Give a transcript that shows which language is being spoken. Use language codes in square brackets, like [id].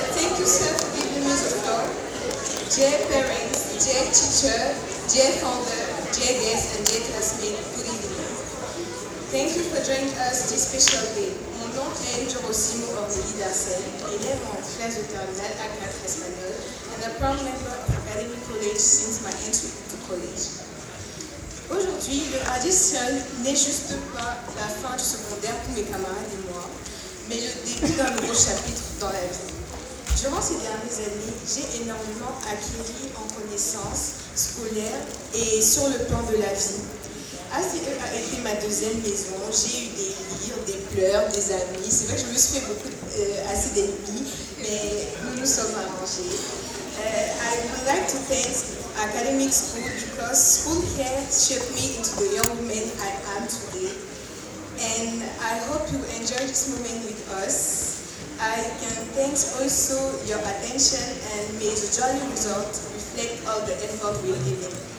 [en] Thank you, sir, for giving me the floor. Dear parents, dear teacher, dear founder, dear guest, and dear classmates, good evening. Thank you for joining us this special day. [fr] Mon nom est Claire Rossimo Ornélie d'Arcel, élève en classe de terminale à 4 Espagnol. [en] I'm a proud member of Academy College since my entry to college. [fr] Aujourd'hui, le addition n'est juste pas la fin du secondaire pour mes camarades et moi, mais le début d'un nouveau chapitre dans la vie. Durant ces dernières années, j'ai énormément acquis en connaissances scolaires et sur le plan de la vie. ACE a été ma deuxième maison, j'ai eu des rires, des pleurs, des amis. C'est vrai que je me suis fait beaucoup assez d'ennemis, mais nous nous sommes arrangés. [en] I would like to thank Academic School because school here shaped me into the young woman I am today. And I hope you enjoy this moment with us. I can thank also your attention and may the journey result reflect all the effort we are giving.